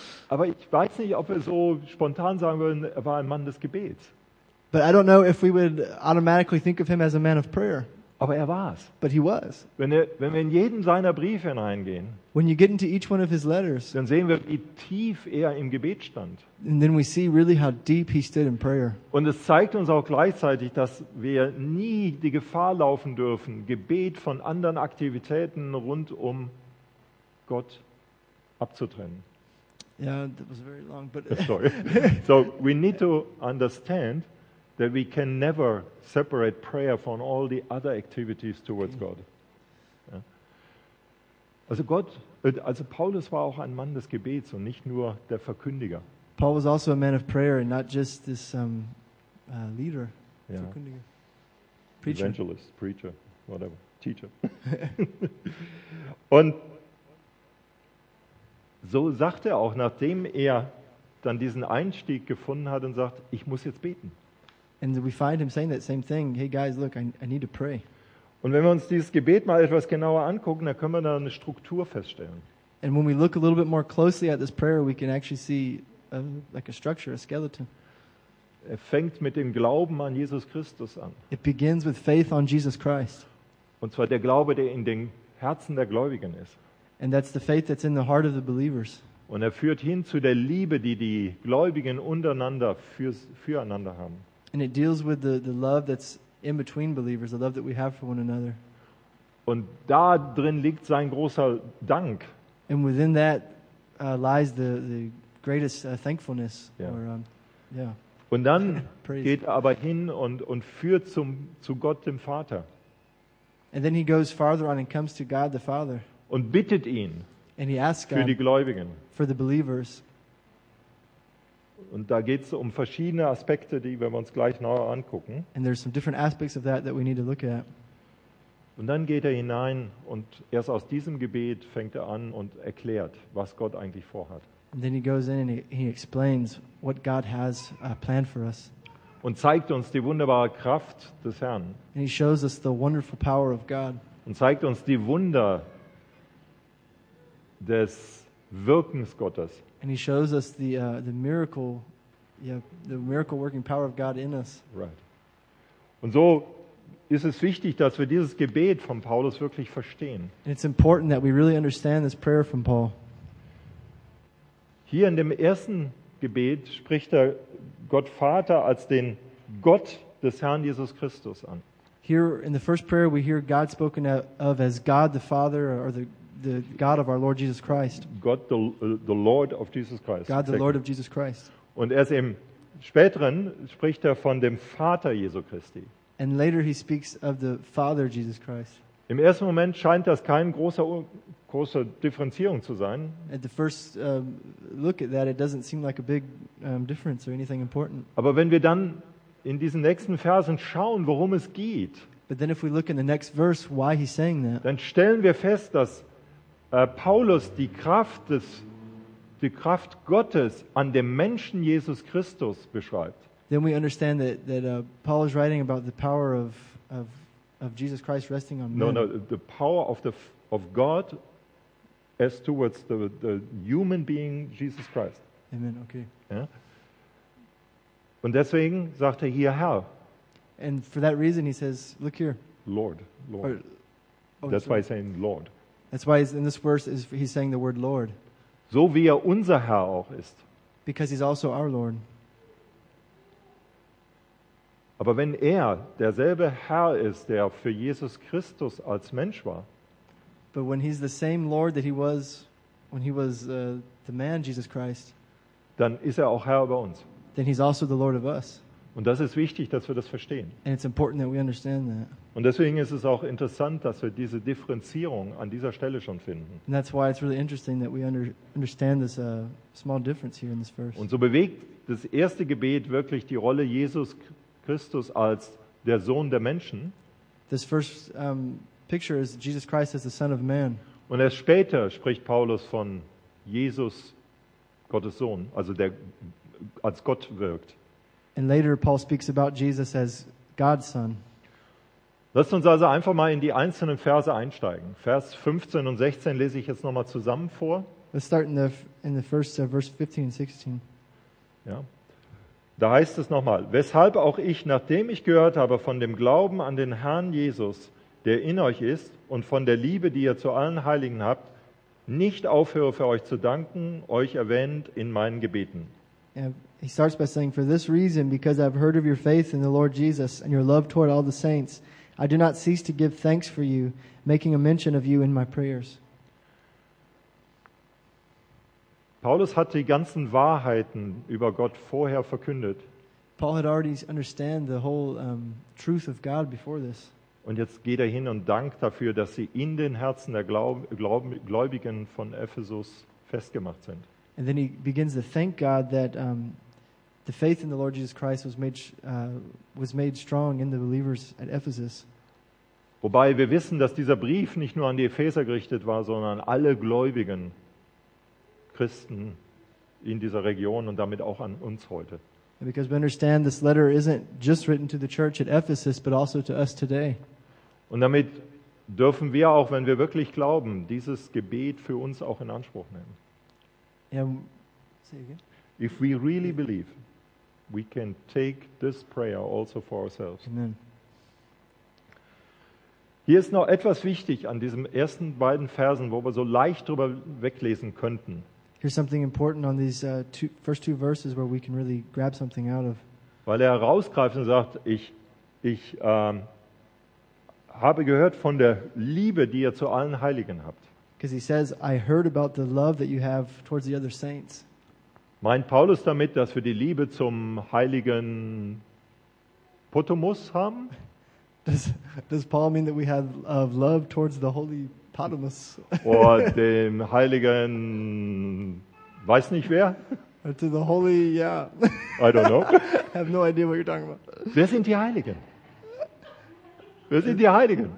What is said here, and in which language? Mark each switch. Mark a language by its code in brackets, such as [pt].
[de] Aber ich weiß nicht, ob wir so spontan sagen würden, er war ein Mann des Gebets. [en] But I don't know if we would automatically think of him as a man of prayer. [de] Aber er war's. [en] But he was. [de] Wenn wir in jeden seiner Briefe hineingehen, [en] when you get into each one of his letters, [de] dann sehen wir, wie tief er im Gebet stand. [en] And then we see really how deep he stood in prayer. [de] Und es zeigt uns auch gleichzeitig, dass wir nie die Gefahr laufen dürfen, Gebet von anderen Aktivitäten rund um Gott abzutrennen. [en] Yeah, that was very long, but sorry. So we need to understand that we can never separate prayer from all the other activities towards God. [de] Ja. Also Paulus war auch ein Mann des Gebets und nicht nur der Verkündiger. [en] Paul was also a man of prayer and not just this leader, [de] ja. Verkündiger. [en] Preacher. Evangelist, preacher, whatever, teacher. [de] Und so sagt er auch, nachdem er dann diesen Einstieg gefunden hat und sagt, ich muss jetzt beten. [en] And we find him saying that same thing. Hey guys, look, I need to pray. [de] Und wenn wir uns dieses Gebet mal etwas genauer angucken, dann können wir da eine Struktur feststellen. [en] And when we look a little bit more closely at this prayer, we can actually see like a structure, a skeleton. [de] Er fängt mit dem Glauben an Jesus Christus an. [en] It begins with faith on Jesus Christ. [de] Und zwar der Glaube, der in den Herzen der Gläubigen ist. [en] And that's the faith that's in the heart of the believers. [de] Und er führt hin zu der Liebe, die die Gläubigen untereinander füreinander haben. [en] And it deals with the love that's in between believers, the love that we have for one another. [de] Und da drin liegt sein großer Dank. [en] And within that lies the greatest thankfulness. Yeah. Or, yeah. [de] Und dann geht aber hin und führt zu Gott dem Vater. [en] And then he goes farther on and comes to God the Father. [de] Und bittet ihn. [en] And he asks [de] für die Gläubigen. [en] For the believers. [de] Und da geht es um verschiedene Aspekte, die wir uns gleich näher angucken. [en] And there's some different aspects of that that we need to look at. [de] Und dann geht er hinein und erst aus diesem Gebet fängt er an und erklärt, was Gott eigentlich vorhat. [en] And then he goes in and he explains what God has planned for us. [de] Und zeigt uns die wunderbare Kraft des Herrn. [en] And he shows us the wonderful power of God. [de] Und zeigt uns die Wunder des Wirkens Gottes. [en] And he shows us the miracle working power of God in us. Right. [de] Und so ist es wichtig, dass wir dieses Gebet von Paulus wirklich verstehen. [en] And it's important that we really understand this prayer from Paul. [de] Hier in dem ersten Gebet spricht er Gott Vater als den Gott des Herrn Jesus Christus an. [en] Here in the first prayer we hear God spoken of as God the Father or the God of our Lord Jesus Christ. God the Lord of Jesus Christ. God the Lord of Jesus Christ. [de] Und erst im späteren spricht er von dem Vater Jesu Christi. [en] And later he speaks of the Father Jesus Christ. [de] Im ersten Moment scheint das kein große Differenzierung zu sein. [en] At the first look at that, it doesn't seem like a big difference or anything important. [de] Aber wenn wir dann in diesen nächsten Versen schauen, worum es geht, [en] but then if we look in the next verse, why he's saying that, [de] dann stellen wir fest, dass Paulus die Kraft Gottes an dem Menschen Jesus Christus beschreibt. [en] Then we understand that Paul is writing about the power of Jesus Christ resting on men. No, the power of God as towards the human being Jesus Christ. Amen, okay. [de] Ja? Und deswegen sagt er hier Herr. [en] And for that reason he says, look here. Lord. Why he's saying Lord. That's why in this verse he's saying the word Lord. [de] So wie er unser Herr auch ist. [en] Because he's also our Lord. [de] Aber wenn er derselbe Herr ist, der für Jesus Christus als Mensch war, [en] but when he's the same Lord that he was when he was the man Jesus Christ, [de] dann ist er auch Herr über uns. [en] Then he's also the Lord of us. [de] Und das ist wichtig, dass wir das verstehen. [en] And it's important that we understand that. [de] Und deswegen ist es auch interessant, dass wir diese Differenzierung an dieser Stelle schon finden. [en] And that's why it's really interesting that we understand this small difference here in this verse. [de] Und so bewegt das erste Gebet wirklich die Rolle Jesus Christus als der Sohn der Menschen. [en] This first picture is Jesus Christ as the Son of Man. [de] Und erst später spricht Paulus von Jesus, Gottes Sohn, also der als Gott wirkt. [en] And later Paul speaks about Jesus as God's Son. [de] Lasst uns also einfach mal in die einzelnen Verse einsteigen. Vers 15 und 16 lese ich jetzt nochmal zusammen vor. [en] Let's start in the first verse 15 and 16. [de] Ja. Da heißt es nochmal, weshalb auch ich, nachdem ich gehört habe von dem Glauben an den Herrn Jesus, der in euch ist, und von der Liebe, die ihr zu allen Heiligen habt, nicht aufhöre für euch zu danken, euch erwähnt in meinen Gebeten. [en] He starts by saying, for this reason, because I have heard of your faith in the Lord Jesus and your love toward all the saints, I do not cease to give thanks for you, making a mention of you in my prayers. [de] Paulus hat die ganzen Wahrheiten über Gott vorher verkündet. [en] Paul had already understood the whole truth of God before this. [de] Und jetzt geht er hin und dankt dafür, dass sie in den Herzen der Gläubigen von Ephesus festgemacht sind. [en] And then he begins to thank God that the faith in the Lord Jesus Christ was made strong in the believers at Ephesus. [de] Wobei wir wissen, dass dieser Brief nicht nur an die Epheser gerichtet war, sondern an alle gläubigen Christen in dieser Region und damit auch an uns heute. [en] Because we understand this letter isn't just written to the church at Ephesus, but also to us today. [de] Und damit dürfen wir auch, wenn wir wirklich glauben, dieses Gebet für uns auch in Anspruch nehmen. [en] Say again. If we really believe, we can take this prayer also for ourselves. Amen. [de] Hier ist noch etwas wichtig an diesen ersten beiden Versen, wo wir so leicht drüber weglesen könnten. [en] Here's something important on these first two verses where we can really grab something out of. [de] Weil er herausgreift und sagt, ich habe gehört von der Liebe, die ihr zu allen Heiligen habt. [en] Because he says, I heard about the love that you have towards the other saints. [de] Meint Paulus damit, dass wir die Liebe zum heiligen Potomus haben? [en] Does Paul mean that we have love towards the holy Patmos. [de] Or dem heiligen, weiß nicht wer. [en] Or to the holy, yeah. I don't know. I have no idea what you're talking about. [de] Wer sind die Heiligen? Wer sind die Heiligen?